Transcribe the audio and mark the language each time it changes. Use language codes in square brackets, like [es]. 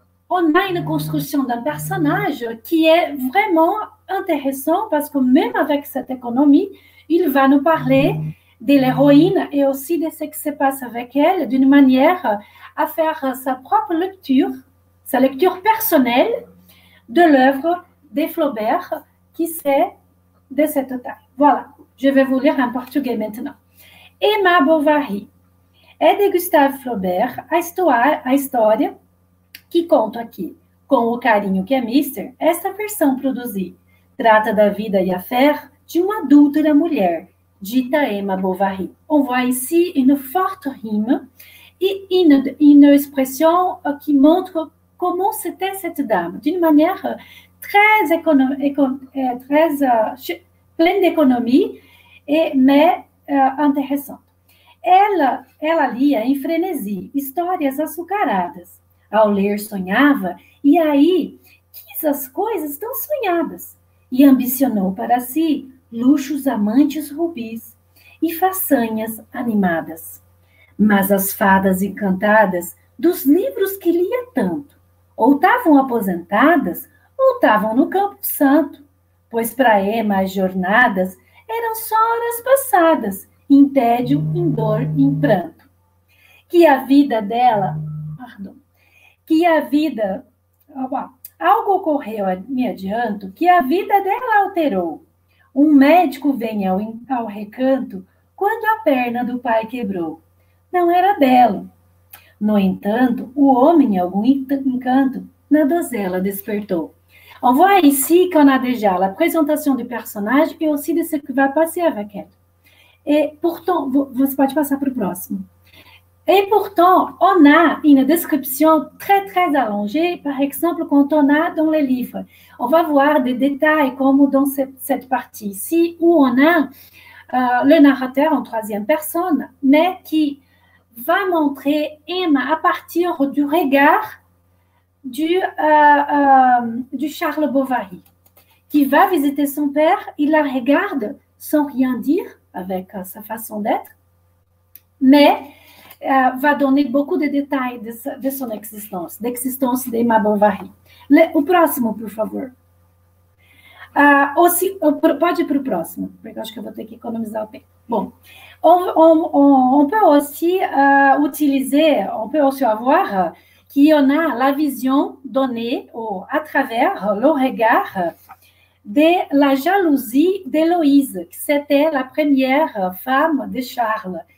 [fr] on a une construction d'un personnage qui est vraiment intéressant parce que même avec cette économie, il va nous parler de l'héroïne et aussi de ce qui se passe avec elle d'une manière à faire sa propre lecture, sa lecture personnelle de l'œuvre de Flaubert qui c'est de cette taille. Voilà, je vais vous lire en portugais maintenant. [pt] Emma Bovary [fr] est de [pt] Gustave Flaubert, a história que conto aqui, com o carinho que é Mister, esta versão produzi. Trata da vida e a fé de uma adúltera mulher, dita Emma Bovary. [fr] On voit ici une forte rime et une expression qui montre comment c'était cette dame, d'une manière très pleine d'économie, mais intéressante. [pt] Ela lia em frenesi histórias açucaradas. Ao ler, sonhava, e aí quis as coisas tão sonhadas, e ambicionou para si luxos amantes rubis e façanhas animadas. Mas as fadas encantadas dos livros que lia tanto, ou estavam aposentadas, ou estavam no Campo Santo, pois para Emma as jornadas eram só horas passadas, em tédio, em dor, em pranto. Que a vida dela... Que a vida Algo ocorreu, me adianto, que a vida dela alterou. Um médico vem ao recanto quando a perna do pai quebrou. Não era dela. No entanto, o homem, em algum encanto, na donzela despertou. [fr] On voit ici qu'on a déjà la présentation du personnage et aussi de ce qui va passer avec elle. Et pourtant, [pt] você pode passar para o próximo. [fr] Et pourtant, on a une description très, très allongée, par exemple, quand on a dans les livres. On va voir des détails comme dans cette partie ici, où on a le narrateur en troisième personne, mais qui va montrer Emma à partir du regard du Charles Bovary, qui va visiter son père. Il la regarde sans rien dire, avec sa façon d'être, mais va donner beaucoup de détails de son existence, d'existence d'Emma Bovary. [pt] O próximo, por favor. Pode ir para o próximo, porque acho que eu vou ter que economizar o tempo. [fr] Bom, on peut aussi utiliser, on peut aussi avoir que on a la vision donnée ou à travers le regard de la jalousie d'Héloïse, que c'était la première femme de Charles.